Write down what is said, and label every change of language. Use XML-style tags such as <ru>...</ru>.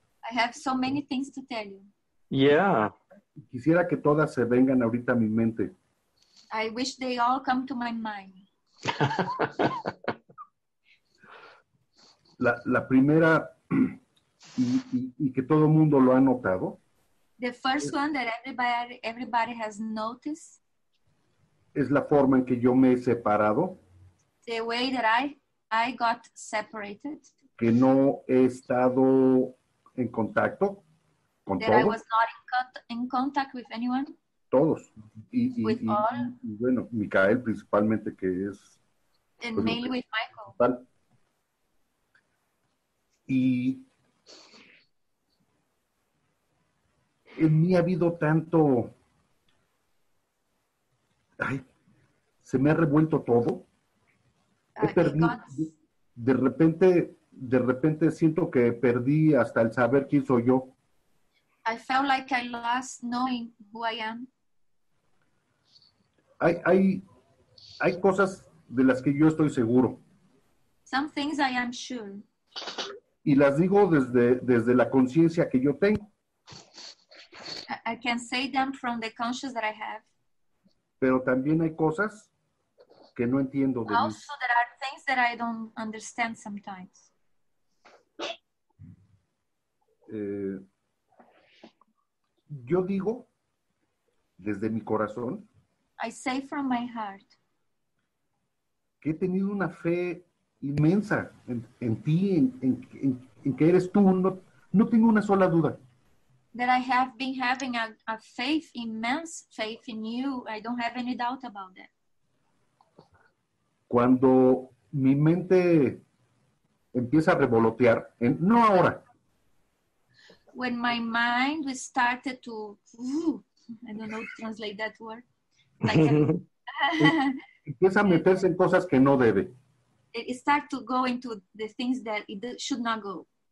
<en>I have so many things to tell you. Yeah.</en> <es>Quisiera que todas se vengan ahorita a mi mente.</es> <en>I wish they all come to my mind.</en> <es>La primera, y que todo mundo lo ha notado.</es> <en>The first one that everybody has noticed.</en> <es>Es la forma en que yo me he separado.</es> <en>The way that I got separated.</en> <es>Que no he estado en contacto.</es> <en>That</en> <es>todos.</es> <en>I was not in contact with anyone.</en> <es>Todos.</es> <en>With</en> <es>y,</es> <en>all.</en> <es>Y bueno, Micael principalmente, que es.</es> <en>And pues, mainly with Michael.</en> <es>Y en mí ha habido tanto. Ay, se me ha revuelto todo. He perdido. De repente siento que perdí hasta el saber quién soy yo.</es> <en>I felt like I lost knowing who I am.</en> <es>Hay cosas de las que yo estoy seguro.</es> <en>Some things I am sure.</en> <es>Y las digo desde la conciencia que yo tengo.</es> <en>I can say them from the conscience that I have.</en> <es>Pero también hay cosas que no entiendo de mí.</es> <en>Also, there are things that I don't understand sometimes.</en> <es>Yo digo desde mi corazón.</es> <en>I say from my heart.</en> <es>Que he tenido una fe inmensa en ti, en que eres tú. No tengo una sola duda.</es> <en>That I have been having a faith, immense faith in you. I don't have any doubt about that.</en> <es>Cuando mi mente empieza a revolotear, no ahora.</es> <en>When my mind started to, I don't know how to translate that word.</en> <es>Empieza a meterse en cosas que no debe.</es> <en>It starts to go into the things that it should not go.</en>